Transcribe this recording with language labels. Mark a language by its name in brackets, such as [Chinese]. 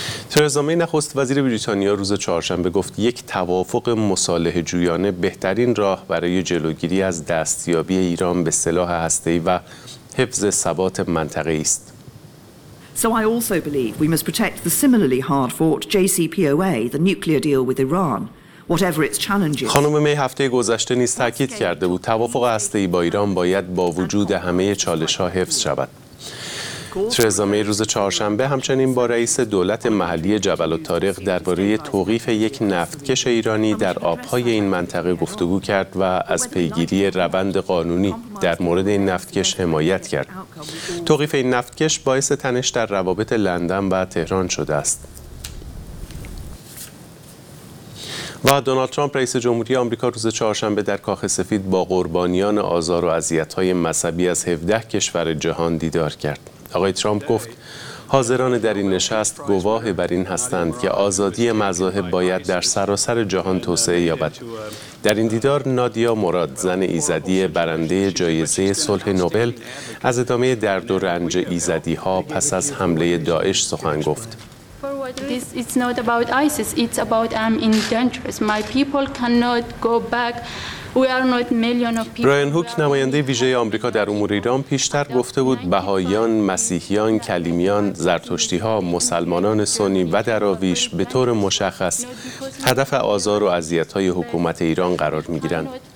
[Persian] ترزا می نخست وزیر بریتانیا روز چهارشنبه گفت یک توافق مصالحه جویانه بهترین راه برای جلوگیری از دستیابی ایران به سلاح هسته‌ای و حفظ ثبات منطقه است. [English] So I also believe we must protect the similarly hard-fought JCPOA, the nuclear deal with Iran. [Persian] خانم می هفته گذشته نیز تاکید کرده بود توافق هسته‌ای با ایران باید با وجود همه چالش‌ها حفظ شود. ترزا می روز چهارشنبه همچنین با رئیس دولت محلی جبل الطارق درباره توقیف یک نفتکش ایرانی در آبهای این منطقه گفتگو کرد و از پیگیری روند قانونی در مورد این نفتکش حمایت کرد. توقیف این نفتکش باعث تنش در روابط لندن و تهران شده است. و دونالد ترامپ رئیس جمهوری آمریکا روز چهارشنبه در کاخ سفید با قربانیان آزار و اذیت‌های مذهبی از 17 کشور جهان دیدار کرد. آقای ترامپ گفت حاضران در این نشست گواه بر این هستند که آزادی مذاهب باید در سراسر جهان توسعه یابد. در این دیدار نادیا مراد، زن ایزدی برنده جایزه صلح نوبل، از ادامه درد و رنج ایزدی ها پس از حمله داعش سخن گفت. [English] It's not about ISIS, it's about I'm in danger. My people cannot go back. [Persian] برایان هوک نماینده ویژه آمریکا در امور ایران پیشتر گفته بود بهائیان، مسیحیان، کلیمیان، زرتشتی‌ها، مسلمانان سنی و دراویش به طور مشخص هدف آزار و اذیت‌های حکومت ایران قرار می‌گیرند.